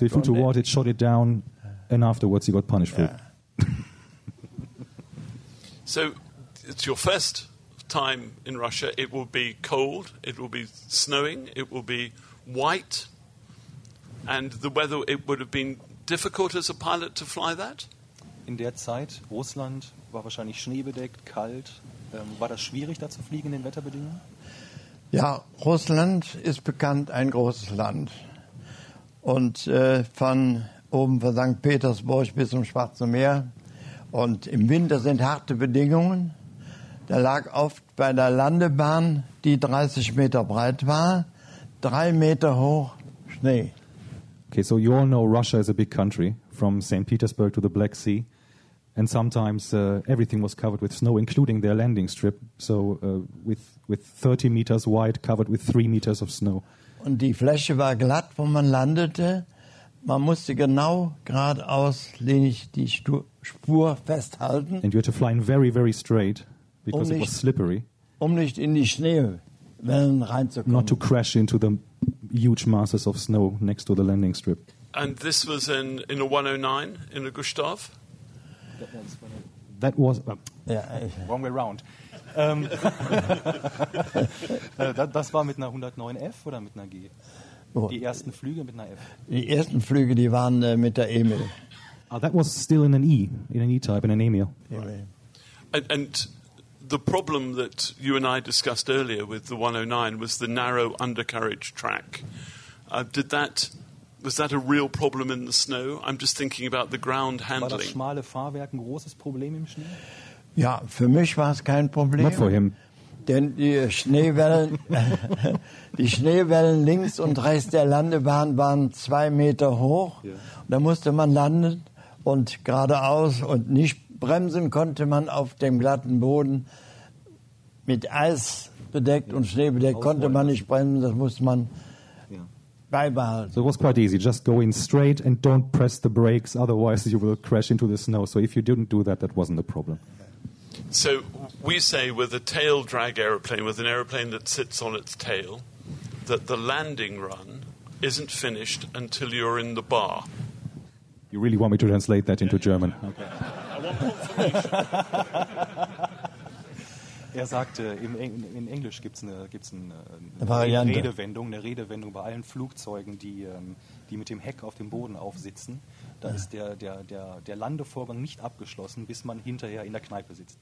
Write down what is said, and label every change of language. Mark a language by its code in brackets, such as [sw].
[en] So he flew toward it, shot it down, and afterwards he got punished for it. So it's your first time in Russia. It will be cold, it will be snowing, it will be white. And the weather, it would have been difficult as a pilot to fly that? [de] In der Zeit, Russland war wahrscheinlich schneebedeckt, kalt. War das schwierig, da zu fliegen in den Wetterbedingungen? Ja, Russland ist bekannt, ein großes Land. Und von oben von St. Petersburg bis zum Schwarzen Meer. Und im Winter sind harte Bedingungen. Da lag oft bei der Landebahn, die 30 Meter breit war, 3 Meter hoch Schnee. [en] Okay, so you all know Russia is a big country, from St. Petersburg to the Black Sea, and sometimes everything was covered with snow, including their landing strip, so with 30 meters wide, covered with 3 meters of snow. [de] Und die Fläche war glatt, wo man landete. Man musste genau geradeauslinig die Spur festhalten. [en] And you had to fly in very, very straight, because it was slippery. [de] Um nicht in die Schneewellen reinzukommen. [en] Not to crash into the... huge masses of snow next to the landing strip. And this was in a 109, in a Gustav? That was... wrong way round. [de] das war mit einer 109F oder mit einer G? Oh. Die ersten Flüge mit einer F? Die ersten Flüge, die waren mit der Emil. [en] That was still in an E, in an E-type, in an Emil. Right. And the problem that you and I discussed earlier with the 109 was the narrow undercarriage track. Was that a real problem in the snow? I'm just thinking about the ground handling. [de] War das schmale Fahrwerk ein großes Problem im Schnee? Ja, für mich war es kein Problem. [en] Not for him. [de] Denn die Schneewellen links und rechts der Landebahn waren 2 Meter hoch. Yeah. Da musste man landen und geradeaus und nicht bremsen konnte man auf dem glatten Boden. mit Eis bedeckt und Schnee bedeckt, konnte man nicht bremsen, das musste man beibehalten. [en] So it was quite easy, just go in straight and don't press the brakes, otherwise you will crash into the snow. So if you didn't do that, that wasn't a problem. So we say with a tail drag aeroplane, with an aeroplane that sits on its tail, that the landing run isn't finished until you're in the bar. You really want me to translate that into German? Okay. [de] Er sagte, in Englisch gibt's eine Redewendung bei allen Flugzeugen, die mit dem Heck auf dem Boden aufsitzen. Da ist der Landevorgang nicht abgeschlossen, bis man hinterher in der Kneipe sitzt.